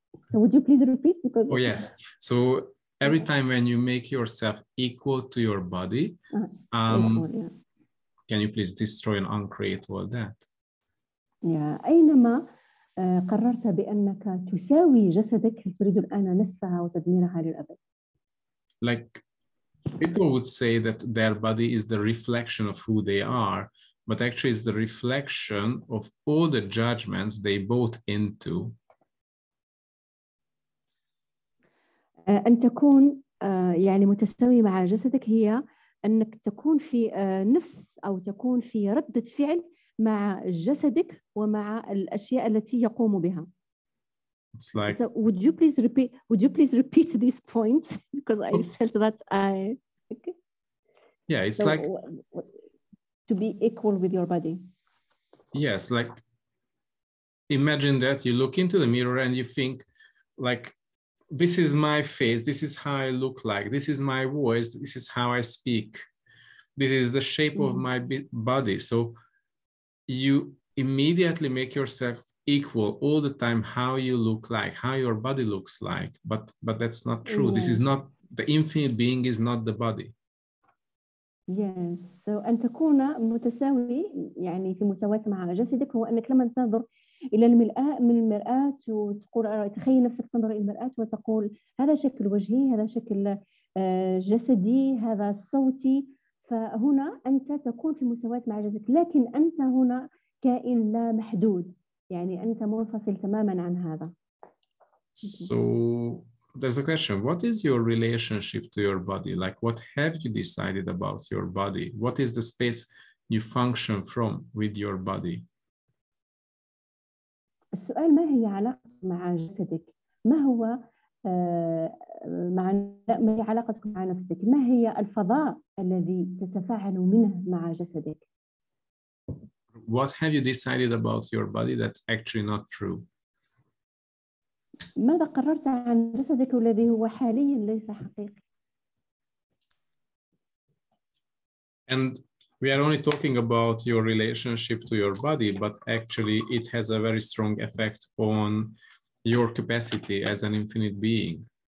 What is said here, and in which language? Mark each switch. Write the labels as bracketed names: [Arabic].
[English] So would you please repeat? Because... Oh, yes. So every time when you make yourself equal to your body, can you please destroy and uncreate all that? Yeah. [Arabic] أينما قررت بأنك تساوي جسدك تريد الآن نصفها وتدميرها للأبد. [English] Like, people would say that their body is the reflection of who they are. But actually, it's the reflection of all the judgments they bought into. [Arabic] أن تكون يعني متساوي مع جسدك هي أنك تكون في نفس أو تكون في ردة فعل مع جسدك ومع الأشياء التي يقوم بها. [English] It's like. So would you please repeat? Would you please repeat this point? Because I felt that I. Okay. Yeah, it's so, like. To be equal with your body. Yes, like imagine that you look into the mirror and you think, like, this is my face, this is how I look like, this is my voice, this is how I speak, this is the shape of my body. So you immediately make yourself equal all the time, how you look like, how your body looks like, but that's not true. Yeah. This is not, the infinite being is not the body. Yes. So, [Arabic] أن تكون متساوي يعني في مساواة مع جسدك هو أنك لما تنظر إلى المرآة من المرآة وتقول تخيل نفسك تنظر إلى المرآة وتقول هذا شكل وجهي، هذا شكل جسدي، هذا صوتي، فهنا أنت تكون في مساواة مع جسدك، لكن أنت هنا كائن لا محدود، يعني أنت منفصل تماما عن هذا. [English] So there's a question. What is your relationship to your body? Like, what have you decided about your body? What is the space you function from with your body? [Arabic] السؤال ما هي علاقة مع جسدك؟ ما هو ما هي علاقتك مع نفسك؟ ما هي الفضاء الذي تتفاعل منه مع جسدك؟ [English] What have you decided about your body that's actually not true? [Arabic] ماذا قررت عن جسدك الذي هو حاليا ليس حقيقي؟ [English] And we are only talking about your relationship to your body, but actually it has a very strong effect on your capacity as an infinite being.